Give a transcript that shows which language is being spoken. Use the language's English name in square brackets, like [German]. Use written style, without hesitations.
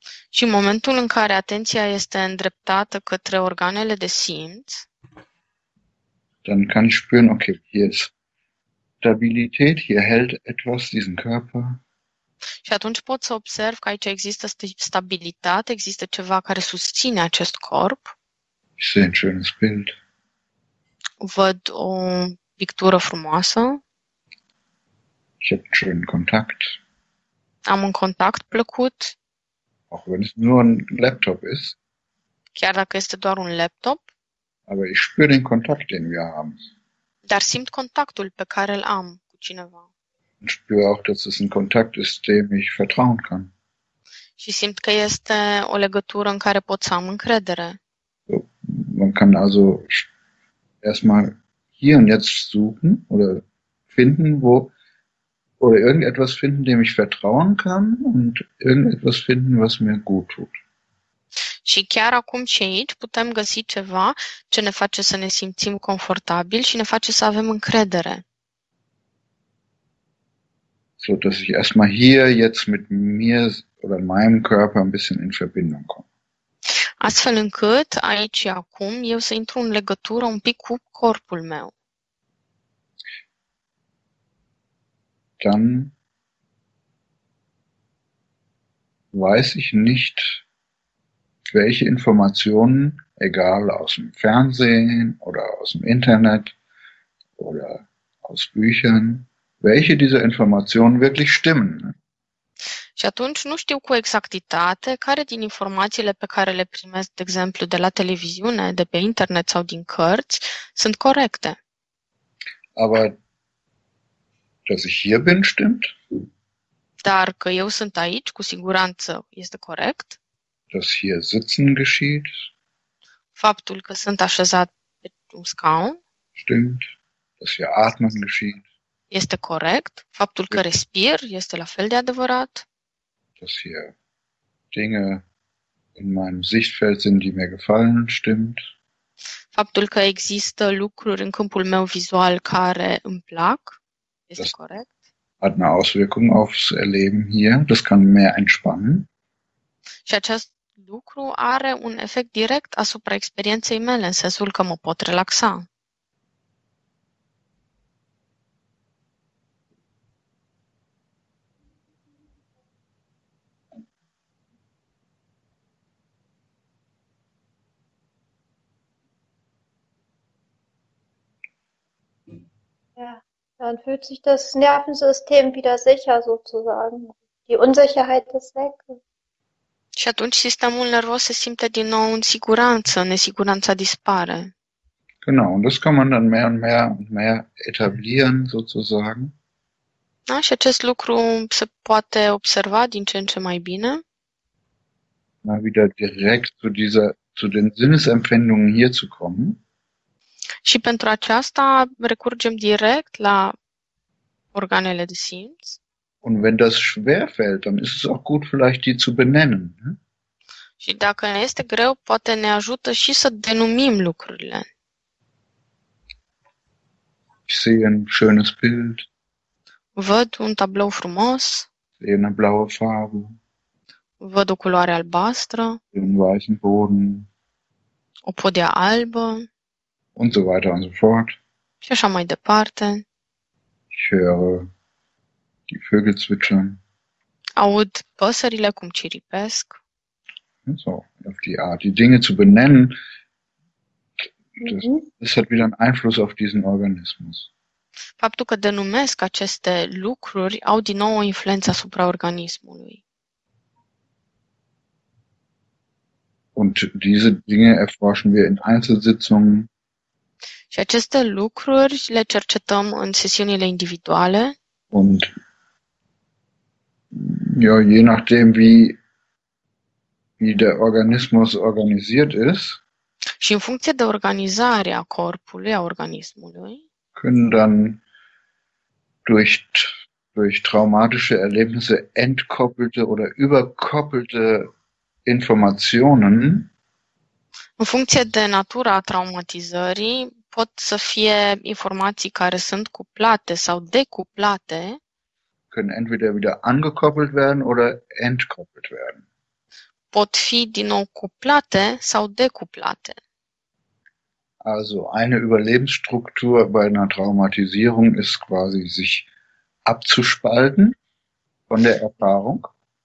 [Romanian] Și în momentul în care atenția este îndreptată către organele de simț, [German] dann kann ich spüren, okay, hier ist Stabilität, hier hält etwas diesen Körper. [Romanian] și atunci pot să observ că aici există stabilitate, există ceva care susține acest corp. [German] Ich sehe ein schönes Bild. [Romanian] Văd o pictură frumoasă. [German] Ich habe einen schönen Kontakt. [Romanian] Am un contact plăcut. [German] Auch wenn es nur ein Laptop ist. [Romanian] Chiar dacă este doar un laptop, [German] Aber ich spüre den Kontakt, den wir haben. [Romanian] dar simt contactul pe care îl am cu cineva. [German] Und spüre auch, dass es ein Kontakt ist, dem ich vertrauen kann. [Romanian] Și simt că este o legătură în care pot să am încredere. [German] Man kann also erstmal hier und jetzt suchen oder finden, wo oder irgendetwas finden, dem ich vertrauen kann und irgendetwas finden, was mir gut tut. [Romanian] Și chiar acum și aici putem găsi ceva ce ne face să ne simțim confortabil și ne face să avem încredere. [German] So dass ich erstmal hier jetzt mit mir oder meinem Körper ein bisschen in Verbindung komme. [Romanian] Astfel încât aici acum eu să intru în legătură un pic cu corpul meu. [German] Dann weiß ich nicht, nicht, welche Informationen, egal aus dem Fernsehen oder aus dem Internet oder aus Büchern, welche dieser Informationen wirklich stimmen. [Romanian] Și atunci nu știu cu exactitate care din informațiile pe care le primesc, de exemplu, de la televiziune, de pe internet sau din cărți, sunt corecte. [German] Aber dass ich hier bin, stimmt. [Romanian] Dar că eu sunt aici, cu siguranță, este corect. [German] Dass hier Sitzen geschieht, [Romanian] Faptul că sunt așezat pe un scaun [German] stimmt. Dass hier Atmen geschieht, [Romanian] este corect. Faptul că [German] stimmt. [Romanian] respir este la fel de adevărat. [German] Dass hier Dinge in meinem Sichtfeld sind, die mir gefallen, stimmt. [Romanian] Faptul că există lucruri în câmpul meu vizual care îmi plac este corect. [German] Hat eine Auswirkung aufs Erleben hier. Das kann mehr entspannen. [Romanian] Și acest lucru are un efect direct asupra experienței mele, în sensul că mă pot relaxa. [German] Ja, dann fühlt sich das Nervensystem wieder sicher sozusagen. Die Unsicherheit ist weg. [Romanian] Și atunci sistemul nervos se simte din nou în siguranță, nesiguranța dispare. [German] Genau, und das kann man dann mehr und mehr und mehr etablieren, sozusagen. [Romanian] Da, și acest lucru se poate observa din ce în ce mai bine. [German] Mal wieder direkt zu dieser, zu den Sinnesempfindungen hier zu kommen. [Romanian] Și pentru aceasta recurgem direct la organele de simț. [German] Und wenn das schwer fällt, dann ist es auch gut, vielleicht die zu benennen. Ne? [Romanian] Și dacă ne este greu, poate ne ajută și să denumim lucrurile. [German] Ich sehe ein schönes Bild. [Romanian] Văd un tablou frumos. [German] Sehe eine blaue Farbe. [Romanian] Văd o culoare albastră. [German] Den weißen Boden. [Romanian] O podea albă. [German] Und so weiter und so fort. [Romanian] Și așa mai departe. [German] Ich höre die Vögel zwitschern. [Romanian] Aud păsările cum ciripesc. [German] Und so, auf die Art, die Dinge zu benennen, das es hat wieder einen Einfluss auf diesen Organismus. [Romanian] Faptul că denumesc aceste lucruri au din nou o influență asupra organismului. [German] Und diese Dinge erforschen wir in Einzelsitzungen. [Romanian] Și aceste lucruri le cercetăm în sesiunile individuale. [German] Und ja, je nachdem, wie der Organismus organisiert ist, [Romanian] Și în funcție de organizarea corpului, a organismului, [German] können dann durch traumatische Erlebnisse entkoppelte oder überkoppelte Informationen [Romanian] în funcție de natura traumatizării, pot să fie informații care sunt cuplate sau decuplate, [German] können entweder wieder angekoppelt werden oder entkoppelt werden. [Romanian] pot fi din nou cuplate sau decuplate. [German] Also eine Überlebensstruktur bei einer Traumatisierung ist quasi sich abzuspalten von der Erfahrung.